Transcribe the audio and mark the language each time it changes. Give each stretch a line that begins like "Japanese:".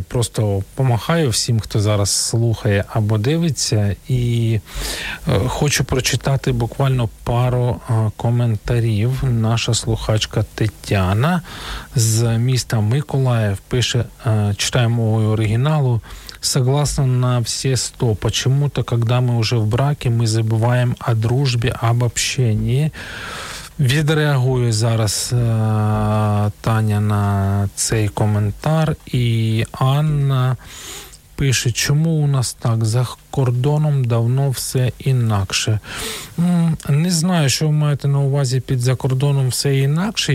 Ukrainian: Просто помахаю всім, хто зараз слухає або дивиться. І хочу прочитати буквально пару коментарів. Наша слухачка Тетяна з міста Миколаїв пише, читаємо у оригіналу,
Russian: согласна на все 100. Почему-то, когда мы уже в браке, мы забываем о дружбе, об общении.
Ukrainian: Відреагую зараз Таня на цей коментар. І Анна пише, чому у нас так? За кордоном давно все інакше. Не знаю, що ви маєте на увазі під за кордоном все інакше.